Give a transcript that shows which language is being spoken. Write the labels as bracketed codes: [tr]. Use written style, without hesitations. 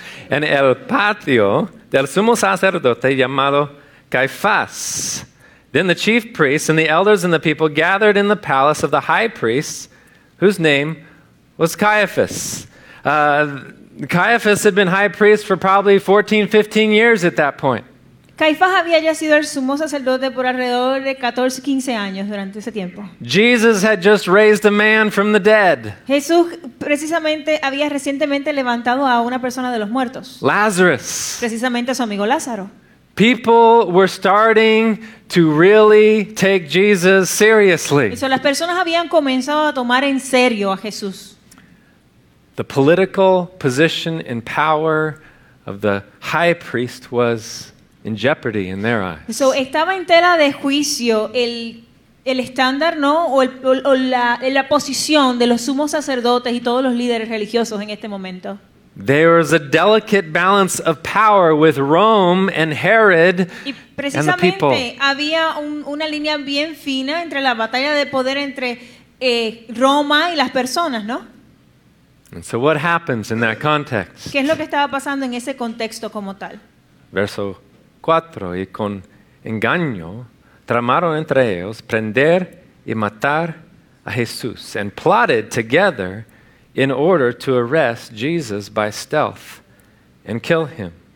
[es] En el patio del sumo sacerdote llamado Caifás. [en] Then the chief priests and the elders and the people gathered in the palace of the high priest, whose name was Caiaphas. Caiaphas had been high priest for probably 14, 15 years at that point. [es] Caifás había ya sido el sumo sacerdote por alrededor de 14, 15 años durante ese tiempo. [en] Jesus had just raised a man from the dead. [es] Jesús precisamente había recientemente levantado a una persona de los muertos. [en] Lazarus. [es] Precisamente a su amigo Lázaro. [en] People were starting to really take Jesus seriously. [es] Y las personas habían comenzado a tomar en serio a Jesús. [en] The political position and power of the high priest was in jeopardy in their eyes. [es] So estaba en tela de juicio el estándar, ¿no? O la posición de los sumos sacerdotes y todos los líderes religiosos en este momento. [en] There was a delicate balance of power with Rome and Herod [es] y precisamente [en] and the people. [es] Había una línea bien fina entre la batalla de poder entre Roma y las personas, ¿no? [en] And so what happens in that context? [es] ¿Qué es lo que estaba pasando en ese contexto como tal? Verso 4, y con engaño tramaron entre ellos prender y matar a Jesús, [en] and plotted together in order to arrest Jesus by stealth and kill him.